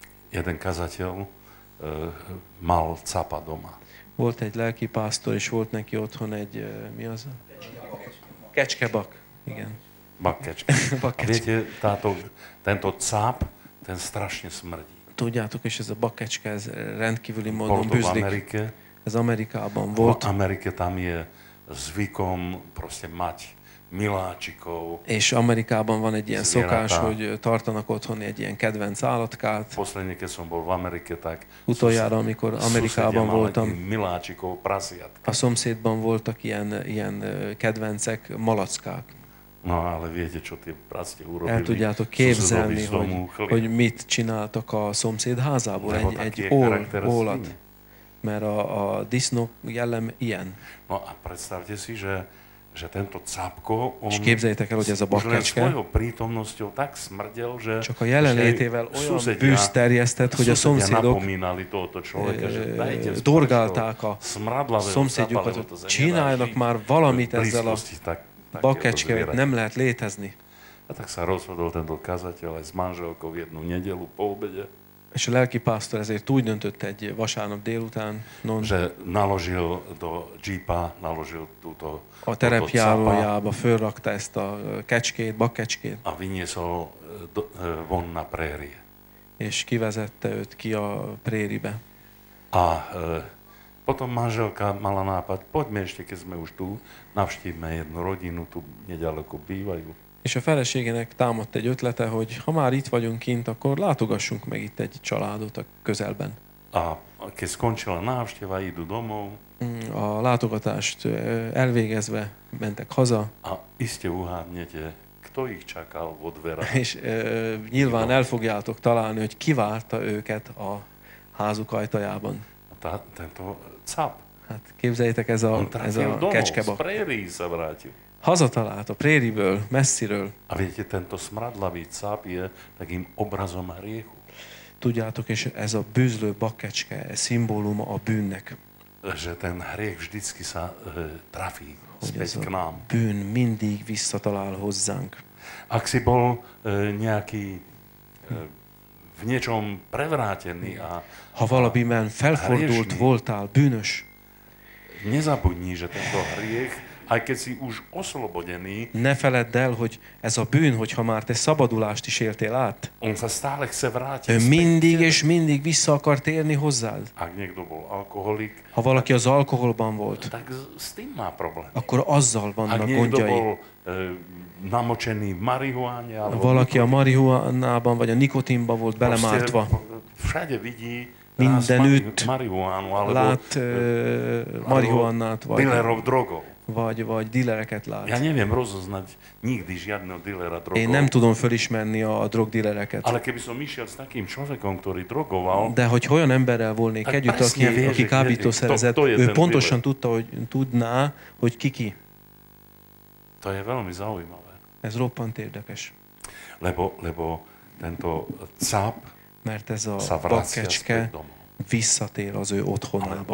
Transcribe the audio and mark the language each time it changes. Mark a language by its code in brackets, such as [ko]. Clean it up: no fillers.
[sk] Jeden kazateľ mal capa doma. [hu] Volt egy lelki pásztor, és volt neki otthon egy, mi az? Kecskebak. Igen. Bak kecske. Bak kecske. [sk] A viete, táto, tento cáp, ten strašne smrdí. [hu] Tudjátok, és ez a bakecske, ez rendkívüli módon bűzlik. [sk] Amerike, [hu] ez Amerikában volt. [sk] V Amerike tam je zvykom proste mať miláčikov. [hu] És Amerikában van egy ilyen szokás, hogy tartanak otthon egy ilyen kedvenc állatkát. [sk] Poslednie, keď som bol v Amerike, tak [hu] utoljára, amikor Amerikában voltam, [sk] miláčikov, prasiatka. [hu] A szomszédban voltak ilyen kedvencek, malackák. [sk] No, ale viete, čo tie prasťe urobili. [hu] El tudjátok képzelni, hogy mit csináltak a szomszéd házából, egy ólat. Mert a disznó jellem ilyen. [sk] No, a predstavte si, že tento cápko, on... [hu] És képzeljétek el, hogy ez a bakkecske. [sk] Svojou prítomnosťou tak smrdel, že... [hu] Csak a jelenlétével olyan bűzt terjesztett, hogy a szomszédok... [sk] Napomínali tohoto človeka, že dajte... [hu] Dorgálták a szomszédjukat, csináljanak már valamit ezzel a... Bakkecske, nem lehet létezni. [sk] A tak sa rozhodol tento kazateľ aj s manželkou jednu nedelu po obede. [hu] És a lelki pásztor ezért úgy döntött egy vasárnap délután, [sk] že naložil do jeepa, naložil túto [hu] a terepjárójába, fölrakta ezt a kecskét, bakkecskét. [sk] A vyniesol von na prérie. [hu] És kivezette őt ki a préribe. [sk] A potom manželka mala nápad, poďme ešte, keď sme už tu, navštívme jednu rodinu, tu nedaleko bývajú. [hu] És a feleségének támadt egy ötlete, hogy ha már itt vagyunk kint, akkor látogassunk meg itt egy családot a közelben. [sk] A keď skončila návšteva, idú domov. [hu] A látogatást elvégezve mentek haza. [sk] A iste uhádnete, kto ich čakal vo dverách. [hu] És nyilván el fogjátok találni, hogy ki várta őket a házuk ajtajában. [sk] Tento cap. [hu] Hát képzeljétek, ez a kecskebak. [sk] Z prérii sa vrátil. [hu] Hazatalált a prériből, messziről. [sk] A viete, tento smradlavý cap je takým obrazom hriechu. [hu] Tudjátok, és ez a bűzlő bakkecske szimbóluma a bűnnek. [sk] Že ten hriech vždycky sa trafí späť k nám. [hu] Bűn mindig visszatalál hozzánk. [sk] Ak si bol nejaký... v niečom prevrátený a... [hu] Ha valamiben felfordult [sk] hriešný, [hu] voltál, bűnös. [sk] Nezabudni, že tento hriech, aj keď si už oslobodený... [hu] Ne feledd el, hogy ez a bűn, hogyha már te szabadulást is éltél át. [sk] On sa stále chce vrátiť. [hu] Ő mindig és mindig vissza akar térni hozzád. [sk] Ak niekto bol alkoholik... [hu] Ha valaki az alkoholban volt, [sk] tak s tým má problém. [hu] Akkor azzal vannak gondjai. [sk] Namočený v marihuáne, alebo [hu] valaki a marihuánában vagy a nikotinban volt belemártva. [sk] Všade vidí [hu] mindenütt [sk] marihuánu, alebo [hu] lát marihuánát, vagy dílereket lát. [sk] Ja neviem rozoznať nikdy žiadneho dílera drogov. [hu] Én nem tudom fölismerni a drogdílereket. [sk] Ale keby som išiel s takým človekom, ktorý drogoval... [hu] De hogy olyan emberrel volnék együtt, aki kábítószerezett, ő pontosan tudta, hogy tudná, hogy ki. [sk] To je veľmi zaujímavé. [hu] Ez roppant érdekes. [sk] Lebo tento cáp, [hu] mert ez a bakkecske visszatér az ő otthonába.